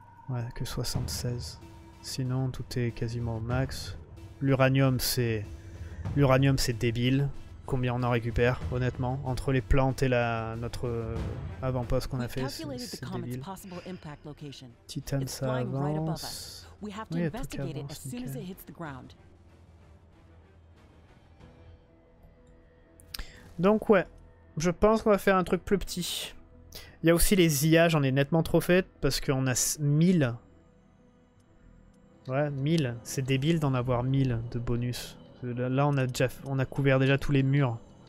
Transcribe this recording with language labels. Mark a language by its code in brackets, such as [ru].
[fr] Ouais, que 76. Sinon tout est quasiment au max. L'uranium c'est débile. Combien on en récupère, honnêtement, entre les plantes et notre avant-poste qu'on a fait, c'est débile. Titane, ça avance. [en] We have to investigate it as soon as it hits the ground. [fr] Donc ouais, je pense qu'on va faire un truc plus petit. Il y a aussi les IA, j'en ai nettement trop fait, parce qu'on a 1000. Ouais, 1000. C'est débile d'en avoir 1000 de bonus. Là, on a couvert déjà tous les murs.